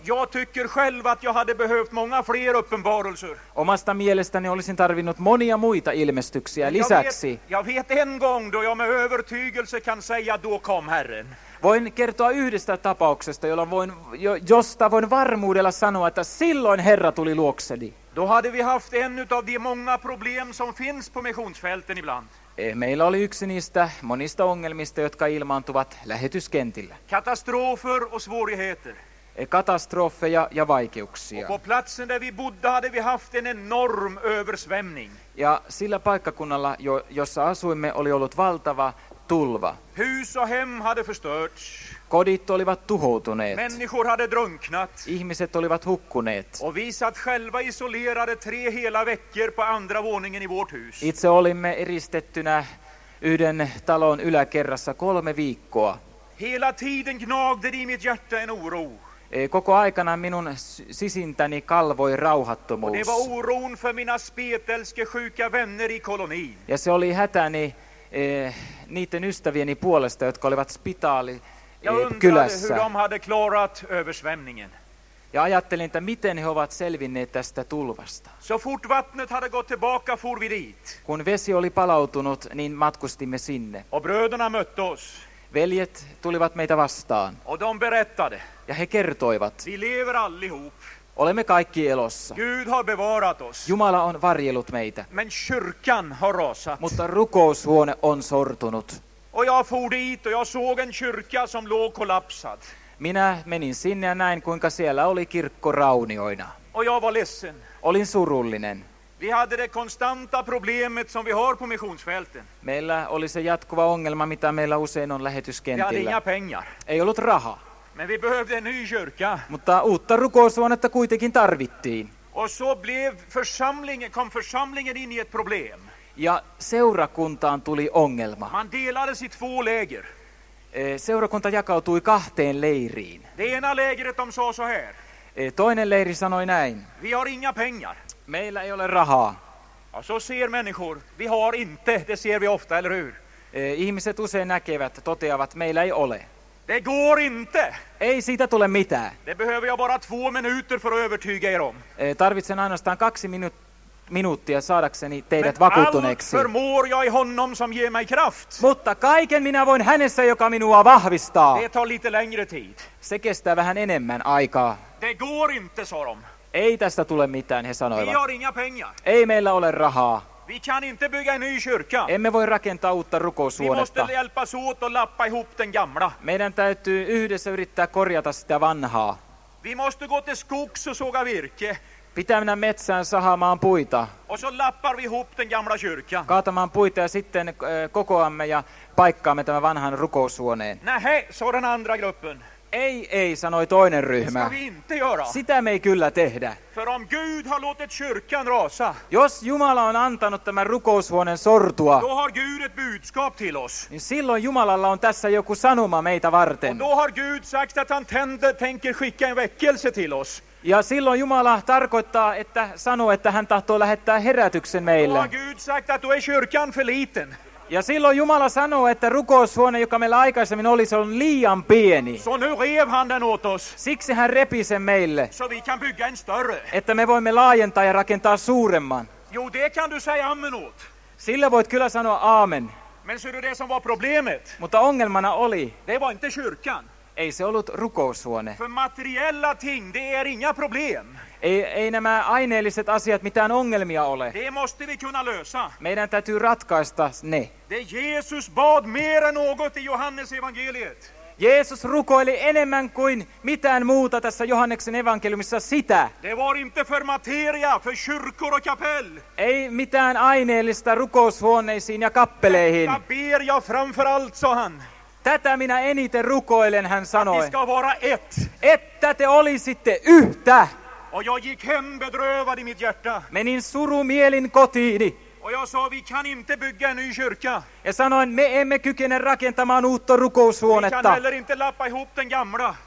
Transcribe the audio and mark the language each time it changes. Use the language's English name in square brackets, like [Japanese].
[Swedish] Jag tycker själv att jag hade behövt många fler uppenbarelser. [Finnish] Omasta mielestäni olisin tarvinnut monia muita ilmestyksiä lisäksi. [Swedish] Jag vet en gång då jag med övertygelse kan säga då kom Herren. [Finnish] Voin kertoa yhdestä tapauksesta, josta voin varmuudella sanoa, että silloin Herra tuli luokseni. [Swedish] Då hade vi haft en av de många problem som finns på missionsfälten ibland. [Finnish] Meillä oli yksi niistä monista ongelmista, jotka ilmaantuvat lähetyskentillä. [Swedish] Katastrofer och svårigheter. [Finnish] Katastrofeja ja vaikeuksia. [Swedish] Och på platsen där vi bodde hade vi haft en enorm översvämning. [Finnish] Ja sillä paikkakunnalla, jossa asuimme, oli ollut valtava tulva. [Swedish] Hus och hem hade förstörts. [Finnish] Kodit olivat tuhoutuneet. [Swedish] Människor hade drunknat. [Finnish] Ihmiset olivat hukkuneet. [Swedish] Och vi satt själva isolerade tre hela veckor på andra våningen i vårt hus. [Finnish] Itse olimme eristettynä yhden talon yläkerrassa 3 viikkoa. [Swedish] Hela tiden gnagde i mitt hjärta en oro. [Finnish] Koko aikana minun sisintäni kalvoi rauhattomuus. [Swedish] Och det var oron för mina spetälske sjuka vänner i kolonin. [Finnish] Ja se oli hätäni niiden ystävieni puolesta, jotka olivat spitaali. [Swedish] Jag undrade hur de hade klarat översvämningen. [Finnish] Ja ajattelin, että miten he ovat selvinneet tästä tulvasta. [Swedish] Så fort vattnet hade gått tillbaka for vi dit. [Finnish] Kun vesi oli palautunut, niin matkustimme sinne. [Swedish] Och bröderna mötte oss. [Finnish] Veljet tulivat meitä vastaan. [Swedish] Och de berättade. [Finnish] Ja he kertoivat. [Swedish] Vi lever allihop. [Finnish] Olemme kaikki elossa. [Swedish] Gud har bevarat oss. [Finnish] Jumala on varjellut meitä. [Swedish] Men kyrkan har rasat. [Finnish] Mutta rukoushuone on sortunut. [Swedish] Och jag for dit och jag såg en kyrka som låg kollapsad. [Finnish] Minä menin sinne ja näin, kuinka siellä oli kirkko raunioina. [Swedish] Och jag var ledsen. [Finnish] Olin surullinen. [Swedish] Vi hade det konstanta problemet som vi har på missionsfälten. [Finnish] Meillä oli se jatkuva ongelma, mitä meillä usein on lähetyskentillä. [Swedish] Vi hade inga pengar. [Finnish] Ei ollut rahaa. [Swedish] Men vi behövde en ny kyrka. [Finnish] Mutta uutta rukoushuonetta kuitenkin tarvittiin. [Swedish] Och så blev församlingen in i ett problem. [Finnish] Ja seurakuntaan tuli ongelma. [Swedish] Man delades i två läger. [Finnish] Seurakunta jakautui 2 leiriin. [Swedish] Det ena lägret de sa så här. [Finnish] Toinen leiri sanoi näin. [Swedish] Vi har inga pengar. [Finnish] Meillä ei ole rahaa. [Swedish] Ja så ser människor. Vi har inte, det ser vi ofta, eller hur? [Finnish] Ihmiset usein näkevät, toteavat, meillä ei ole. [Swedish] Det går inte. [Finnish] Ei siitä tule mitään. [Swedish] Det behöver jag bara två minuter för att övertyga er om. [Finnish] Tarvitsen ainoastaan 2 minuuttia saadakseni teidät vakuuttuneeksi. [Swedish] Men allt förmår jag i honom som ger mig kraft. [Finnish] Mutta kaiken minä voin hänessä, joka minua vahvistaa. [Swedish] Det tar lite längre tid. [Finnish] Se kestää vähän enemmän aikaa. [Swedish] Det går inte, sa de. [Finnish] Ei tästä tule mitään, he sanoivat. [Swedish] Vi har inga pengar. [Finnish] Ei meillä ole rahaa. [Swedish] Vi kan inte bygga en ny kyrka. [Finnish] Emme voi rakentaa uutta rukoushuonetta. [Swedish] Vi måste hjälpas åt och lappa ihop den gamla. [Finnish] Meidän täytyy yhdessä yrittää korjata sitä vanhaa. [Swedish] Vi måste gå till skogs och såga virke. [Finnish] Pitää mennä metsään sahaamaan puita. [Swedish] Och så lappar vi ihop den gamla kyrkan. [Finnish] Kaatamaan puita ja sitten kokoamme ja paikkaamme tämän vanhan rukoushuoneen. [Swedish] Nähä, så den andra gruppen. [Finnish] Ei, ei, sanoi toinen ryhmä. [Swedish] Det ska vi inte göra. [Finnish] Sitä me ei kyllä tehdä. [Swedish] För om Gud har låtit kyrkan rasa. [Finnish] Jos Jumala on antanut tämän rukoushuoneen sortua. [Swedish] Då har Gud ett budskap till oss. [Finnish] Niin silloin Jumalalla on tässä joku sanoma meitä varten. [Swedish] Och då har Gud sagt att han tänker skicka en väckelse till oss. [Finnish] Ja silloin Jumala tarkoittaa, että sanoo, että hän tahtoo lähettää herätyksen meille. [Swedish] Då har Gud sagt att du är kyrkan för liten. [Finnish] Ja silloin Jumala sanoo, että rukoushuone, joka meillä aikaisemmin oli, se on liian pieni. [Swedish] Så nu rev han den åt oss. [Finnish] Siksi hän repi sen meille. [Swedish] Så vi kan bygga en större. [Finnish] Että me voimme laajentaa ja rakentaa suuremman. [Swedish] Jo, det kan du säga amen åt. [Finnish] Sillä voit kyllä sanoa aamen. [Swedish] Men ser du det som var problemet? [Finnish] Mutta ongelmana oli. [Swedish] Det var inte kyrkan. [Finnish] Ei se ollut rukoushuone. [Swedish] För materiella ting, det är inga problem. [Finnish] Ei nämä aineelliset asiat mitään ongelmia ole. [Swedish] Det måste vi kunna lösa. [Finnish] Meidän täytyy ratkaista ne. [Swedish] Det Jesus bad mer än något i Johannes evangeliet. [Finnish] Jeesus rukoili enemmän kuin mitään muuta tässä Johanneksen evankeliumissa sitä. [Swedish] Det var inte för materia, för kyrkor och kapell. [Finnish] Ei mitään aineellista rukoushuoneisiin ja kappeleihin. [Swedish] Detta ber jag framför allt, sa han. [Finnish] Tätä minä eniten rukoilen, hän sanoi. [Swedish] Att vi ska vara ett. [Finnish] Että te olisitte yhtä. [Swedish] Och jag gick hem bedrövad i mitt hjärta. [Finnish] Menin suru mielin kotiini. [Swedish] Och jag sa, vi kan inte bygga en ny kyrka. [Finnish] Ja sanoin, me emme kykene rakentamaan uutta rukoushuonetta. [Swedish] Vi kan heller inte lappa ihop den gamla.